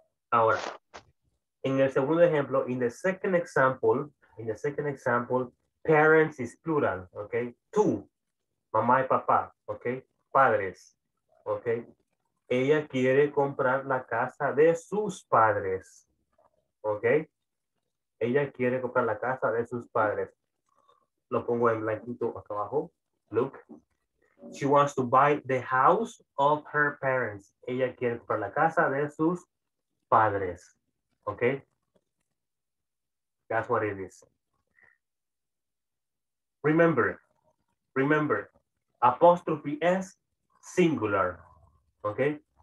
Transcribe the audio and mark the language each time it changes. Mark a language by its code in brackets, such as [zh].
[es] Ahora, en el segundo ejemplo, [en] in the second example, parents is plural. Ok. Two. [es] Mamá y papá. [en] Ok. Padres. Ok. [es] Ella quiere comprar la casa de sus padres. Ok. Ella quiere comprar la casa de sus padres. Lo pongo en blanquito hasta abajo. Look. [en] She wants to buy the house of her parents. [es] Ella quiere comprar la casa de sus padres. [en] Okay? That's what it is. Remember, apostrophe S singular. Okay?